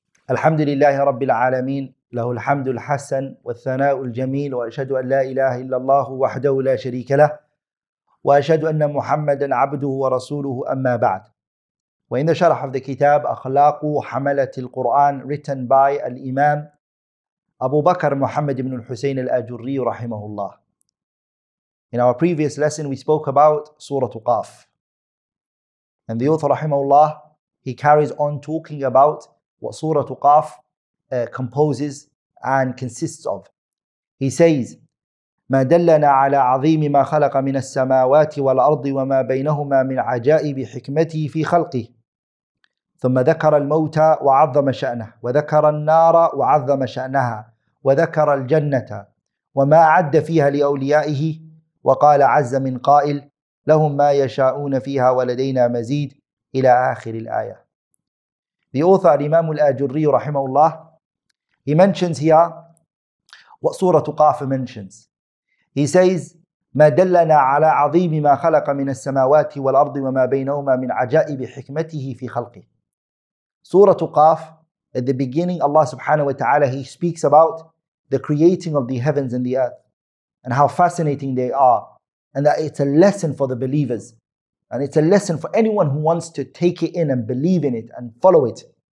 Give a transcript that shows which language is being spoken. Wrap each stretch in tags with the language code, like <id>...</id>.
<ar>الحمد لله رب العالمين له الحمد الحسن والثناء الجميل وأشهد أن لا إله إلا الله وحده لا شريك له وأشهد أن محمدا عبده ورسوله أما بعد وإن شرح في الكتاب أخلاق حملة القرآن</ar> <en>written by</en> <ar>الإمام أبو بكر محمد بن الحسين الأجري رحمه الله.</ar> <en>In our previous lesson we spoke about سورة قاف. And the author</en> <ar>رحمه الله</ar> <en>he carries on talking about what سورة قاف composes and consists of.</en> <ar>He says, ما دلنا على عظيم ما خلق من السماوات والأرض وما بينهما من عجائب حكمته في خلقه ثم ذكر الموتى وعظم شأنه وذكر النار وعظم شأنها وذكر الجنة وما أعد فيها لأوليائه وقال عز من قائل لهم ما يشاءون فيها ولدينا مزيد إلى آخر الآية.</ar> <en>The author الإمام الأجري</en> <ar>رحمه الله</ar> <en>he mentions here what سورة قاف mentions.</en> <ar>He says ما دلنا على عظيم ما خلق من السماوات والأرض وما بينهما من عجائب حكمته في خلقه.</ar> <en>Surah Qaf, at the beginning, Allah subhanahu wa ta'ala, He speaks about the creating of the heavens and the earth and how fascinating they are and that it's a lesson for the believers and it's a lesson for anyone who wants to take it in and believe in it and follow it.</en>